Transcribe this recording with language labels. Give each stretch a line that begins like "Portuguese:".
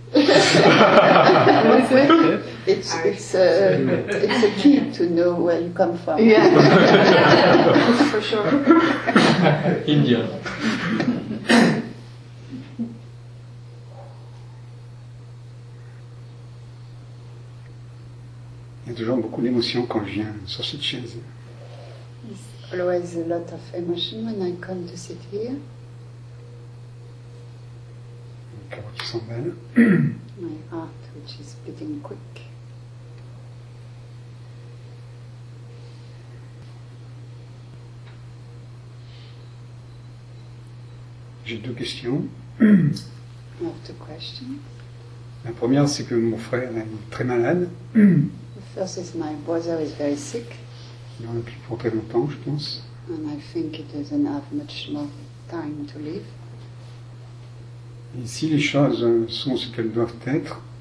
English: Oui, it's a key to know where you come from. Yeah. For sure. India.
French: Il y a toujours beaucoup d'émotions quand je viens sur cette chaise.
English: There's always a lot of emotion when I come to sit here. My heart, which is beating quick.
French: J'ai deux questions.
English: I have two questions.
French: La première, c'est que mon frère est très malade.
English: The first is my brother is very sick.
French: Il n'en a plus pour très longtemps, je pense.
English: And I think he doesn't have much more time to live.
French: Et si les choses sont ce qu'elles doivent être,